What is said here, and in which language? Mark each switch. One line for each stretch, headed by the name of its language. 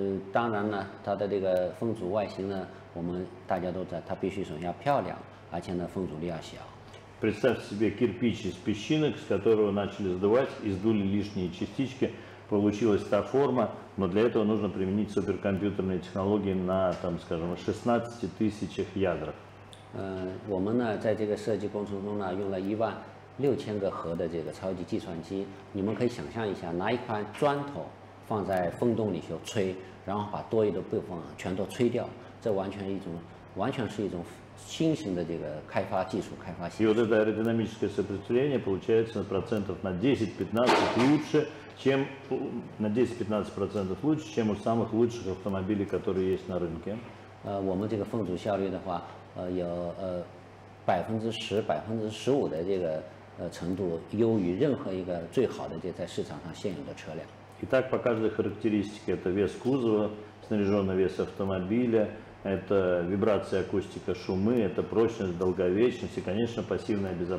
Chinese: 当然呢，它的这个风阻外形呢，我们大家都知道，它必须首先要漂亮，而且呢，风阻力要小。
Russian: Представьте себе кирпич из песчинок, с которого начали сдувать, издули лишние частички, получилась та форма, но для этого нужно применить суперкомпьютерные технологии на, там, скажем, 16000 ядрах.
Chinese: 我们呢，在这个设计过程中呢，用了16000个核的这个超级计算机，你们可以想象一下，拿一块砖头。放在风洞里去吹，然后把多余的部分全都吹掉，这完全一种，完全是一种新型的这个开发技术开发系统。
Russian: И вот это аэродинамическое сопротивление получается процентов на 10-15 лучше, чем на 10-15% лучше, чем у самых лучших автомобилей, которые есть на рынке.
Chinese: 我们这个风阻效率的话，有10%、15%的这个程度优于任何一个最好的这在市场上现有的车辆。
Russian: Итак, по каждой характеристике, это вес кузова, снаряженный вес автомобиля, это вибрация, акустика, шумы, это прочность, долговечность и, конечно, пассивная